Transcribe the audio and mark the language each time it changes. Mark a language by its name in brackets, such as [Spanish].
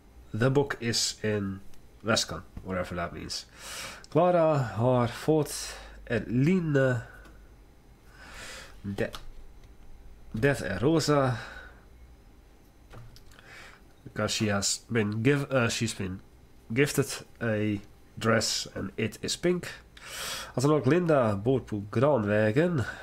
[English] The book is in väskan, whatever that means. [Swedish] Clara har fått ett linne. Det är rosa. [English] Because she's been gifted a dress and it is pink. [Swedish] Alltså nog Linda bor på Granvägen.